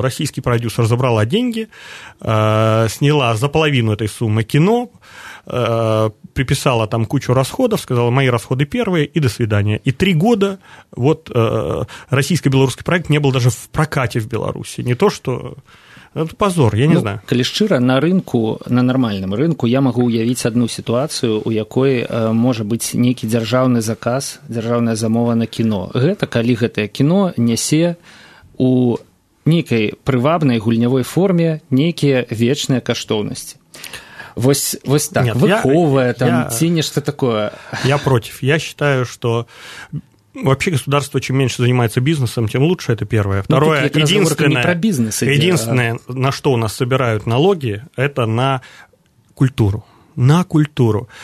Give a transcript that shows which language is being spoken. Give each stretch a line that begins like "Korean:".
Russian: Российский продюсер забрала деньги, сняла за половину этой суммы кино, приписала там кучу расходов, сказала, мои расходы первые, и до свидания. И три года вот российско-белорусский проект не был даже в прокате в Беларуси. Не то, что... Это позор, я не знаю.
Belarusian: Калі шчыра, на рынку, на нармальным рынку, я магу ўявіць адну сітуацыю, у якой можа быць некі дзяржаўны заказ, дзяржаўная замова на кіно. Гэта, калі гэтае кіно нясе ў нейкай прывабнай гульнявой форме нейкія вечныя каштоўнасці. Вось так, выховая там, ці нешта такое.
Russian: Я против. Я считаю, что... Вообще государство, чем меньше занимается бизнесом, тем лучше, это первое. Второе, ну, единственное, про бизнес, единственное, на что у нас собирают налоги, это на культуру. На культуру.